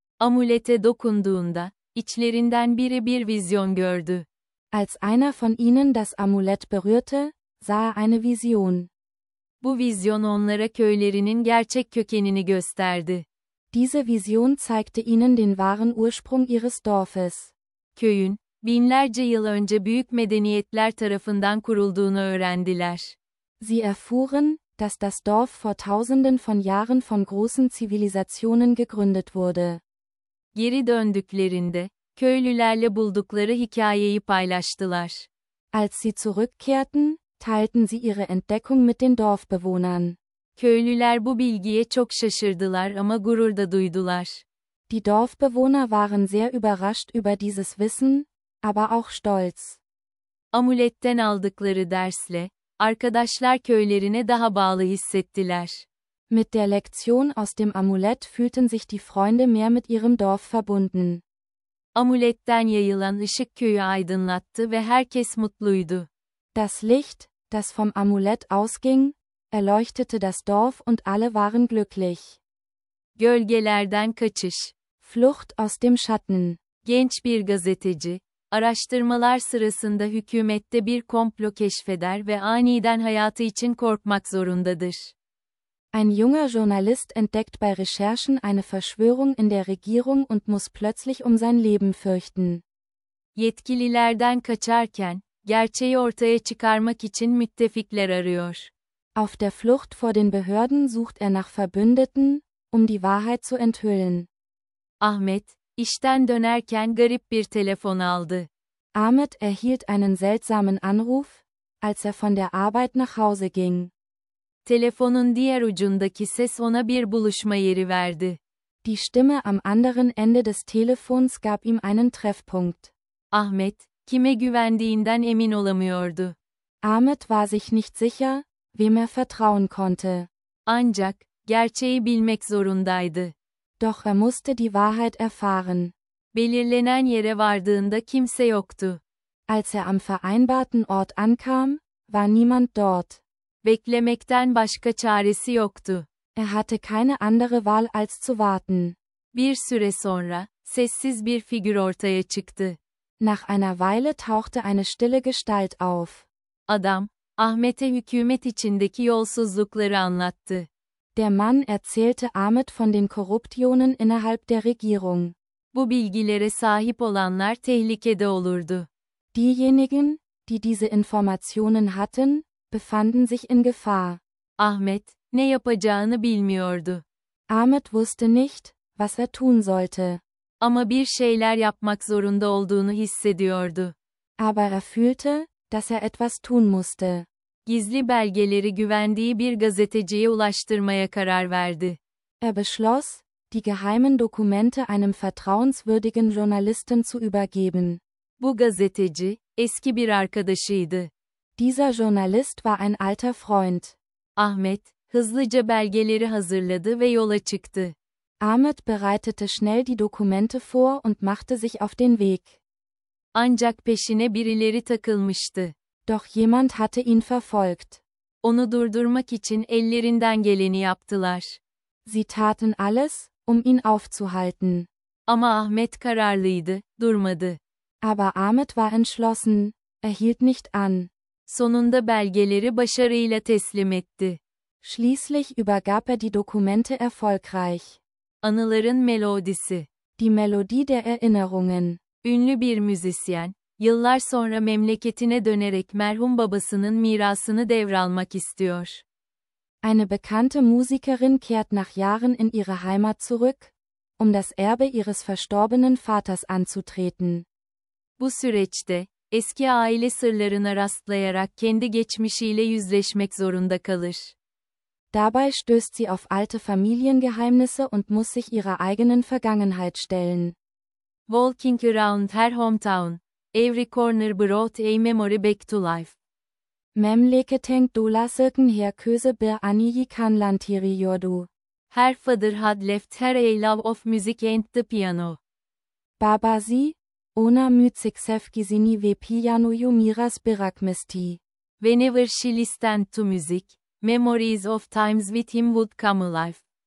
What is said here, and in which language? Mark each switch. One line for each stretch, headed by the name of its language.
Turkish: Amulete dokunduğunda, içlerinden biri bir vizyon gördü.
German: Als einer von ihnen das Amulett berührte, sah er eine Vision.
Turkish: Bu vizyon onlara köylerinin gerçek kökenini gösterdi.
German: Diese Vision zeigte ihnen den wahren Ursprung ihres Dorfes.
Turkish: Köyün, binlerce yıl önce büyük medeniyetler tarafından kurulduğunu öğrendiler.
German: Sie erfuhren, dass das Dorf vor tausenden von Jahren von großen Zivilisationen gegründet wurde.
Turkish: Geri döndüklerinde, köylülerle buldukları hikayeyi paylaştılar.
German: Als sie zurückkehrten, teilten sie ihre Entdeckung mit den Dorfbewohnern.
Turkish: Köylüler bu bilgiye çok şaşırdılar ama gurur da duydular.
German: Die Dorfbewohner waren sehr überrascht über dieses Wissen, aber auch stolz.
Turkish: Amuletten aldıkları dersle, arkadaşlar köylerine daha bağlı hissettiler.
German: Mit der Lektion aus dem Amulett fühlten sich die Freunde mehr mit ihrem Dorf verbunden.
Turkish: Amuletten yayılan ışık köyü aydınlattı ve herkes mutluydu.
German: Das Licht, das vom Amulett ausging, erleuchtete das Dorf und alle waren glücklich.
Turkish: Gölgelerden kaçış.
German: Flucht aus dem Schatten.
Turkish: Genç bir gazeteci, araştırmalar sırasında hükümette bir komplo keşfeder ve aniden hayatı için korkmak zorundadır.
German: Ein junger Journalist entdeckt bei Recherchen eine Verschwörung in der Regierung und muss plötzlich um sein Leben fürchten.
Turkish: Yetkililerden kaçarken, gerçeği ortaya çıkarmak için müttefikler arıyor.
German: Auf der Flucht vor den Behörden sucht er nach Verbündeten, um die Wahrheit zu enthüllen.
Turkish: Ahmet, işten dönerken garip bir telefon aldı.
German: Ahmet erhielt einen seltsamen Anruf, als er von der Arbeit nach Hause ging.
Turkish: Telefonun diğer ucundaki ses ona bir buluşma yeri verdi.
German: Die Stimme am anderen Ende des Telefons gab ihm einen Treffpunkt.
Turkish: Ahmet, kime güvendiğinden emin olamıyordu.
German: Ahmet war sich nicht sicher, wem er vertrauen konnte.
Turkish: Ancak, gerçeği bilmek zorundaydı.
German: Doch er musste die Wahrheit erfahren.
Turkish: Belirlenen yere vardığında kimse yoktu.
German: Als er am vereinbarten Ort ankam, war niemand dort.
Turkish: Beklemekten başka çaresi yoktu.
German: Er hatte keine andere Wahl als zu warten.
Turkish: Bir süre sonra, sessiz bir figür ortaya çıktı.
German: Nach einer Weile tauchte eine stille Gestalt auf.
Turkish: Adam, Ahmet'e hükümet içindeki yolsuzlukları anlattı.
German: Der Mann erzählte Ahmet von den Korruptionen innerhalb der Regierung.
Turkish: Bu bilgilere sahip olanlar tehlikede olurdu.
German: Diejenigen, die diese Informationen hatten, befanden sich in Gefahr.
Turkish: Ahmet, ne yapacağını bilmiyordu.
German: Ahmet wusste nicht, was er tun sollte.
Turkish: Ama bir şeyler yapmak zorunda olduğunu hissediyordu.
German: Aber er fühlte, dass er etwas tun musste.
Turkish: Gizli belgeleri güvendiği bir gazeteciye ulaştırmaya karar verdi.
German: Er beschloss, die geheimen Dokumente einem vertrauenswürdigen Journalisten zu übergeben.
Turkish: Bu gazeteci, eski bir arkadaşıydı.
German: Dieser Journalist war ein alter Freund.
Turkish: Ahmet, hızlıca belgeleri hazırladı ve yola çıktı.
German: Ahmet bereitete schnell die Dokumente vor und machte sich auf den Weg.
Turkish: Ancak peşine birileri takılmıştı.
German: Doch jemand hatte ihn verfolgt.
Turkish: Onu durdurmak için ellerinden geleni yaptılar.
German: Sie taten alles, um ihn aufzuhalten.
Turkish: Ama Ahmet kararlıydı, durmadı.
German: Aber Ahmet war entschlossen, er hielt nicht an.
Turkish: Sonunda belgeleri başarıyla teslim etti.
German: Schließlich übergab er die Dokumente erfolgreich.
Turkish: Anıların melodisi.
German: Die Melodie der Erinnerungen.
Turkish: Ünlü bir müzisyen, yıllar sonra memleketine dönerek merhum babasının mirasını devralmak istiyor.
German: Eine bekannte Musikerin kehrt nach Jahren in ihre Heimat zurück, um das Erbe ihres verstorbenen Vaters anzutreten.
Turkish: Bu süreçte, eski aile sırlarına rastlayarak kendi geçmişiyle yüzleşmek zorunda kalır.
German: Dabei stößt sie auf alte Familiengeheimnisse und muss sich ihrer eigenen Vergangenheit stellen.
English: Walking around her hometown. Every corner brought a memory back to life. Mem leke tenk dola sirken her köse bir aniyi kanlantiri yordu. Her father had left her a love of music and the piano.
Turkish: Baba si, ona müzik sevgisini ve piyanoyu miras bırakmıştı.
English: Whenever she listened to music, memories of times with him would come alive.